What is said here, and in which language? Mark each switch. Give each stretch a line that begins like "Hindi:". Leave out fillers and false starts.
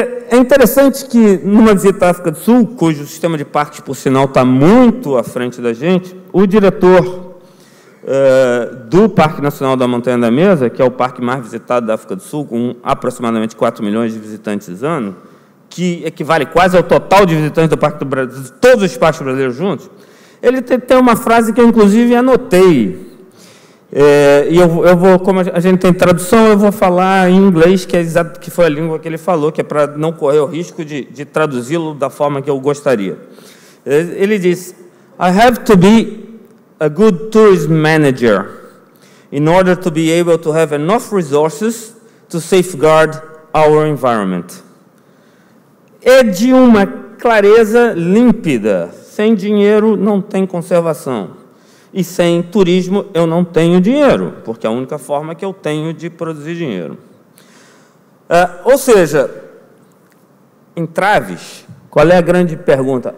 Portuguese: É interessante que, numa visita à África do Sul, cujo sistema de parques, por sinal, está muito à frente da gente, o diretor do Parque Nacional da Montanha da Mesa, que é o parque mais visitado da África do Sul, com aproximadamente 4 milhões de visitantes ano, que equivale quase ao total de visitantes do Parque do Brasil, todos os parques brasileiros juntos, ele tem uma frase que eu, inclusive, anotei. Eu vou, como a gente tem tradução, eu vou falar em inglês, que foi a língua que ele falou, que é para não correr o risco de traduzi-lo da forma que eu gostaria. Ele diz:
English: I have to be a good tourism manager in order to be able to have enough resources to safeguard our environment.
Portuguese: É de uma clareza límpida. Sem dinheiro não tem conservação. E sem turismo eu não tenho dinheiro, porque é a única forma que eu tenho de produzir dinheiro. Ou seja, entraves, qual é a grande pergunta?